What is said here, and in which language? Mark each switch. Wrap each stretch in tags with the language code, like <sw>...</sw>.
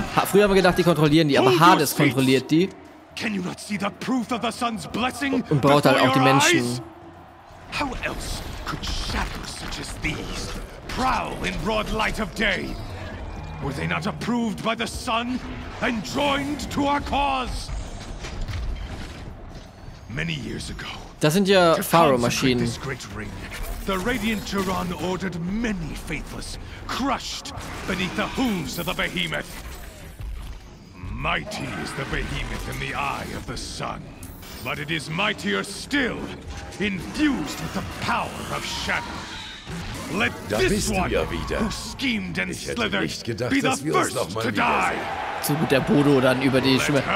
<de>Früher haben wir gedacht, die kontrollieren die, aber Hades kontrolliert die.</de> <en>Can you not see the proof of the sun's blessing?</en> <de>Und braucht halt auch die Menschen.</de> <en>How else could shadows such as these prowl in broad light of day? Were they not approved by the sun and joined to our cause? Many years ago.</en> <de>Das sind ja Pharao-Maschinen.</de> <en>The Radiant Turan ordered many faithless crushed beneath the hooves of the behemoth. Mighty is the behemoth in the eye of the sun, but it is mightier still, infused with the power of shadow. Let</en> <de>da bist du ja wieder. Ich hätte nicht gedacht, dass wir uns nochmal wiedersehen. So gut der Bodo dann über die Schwimmer.</de>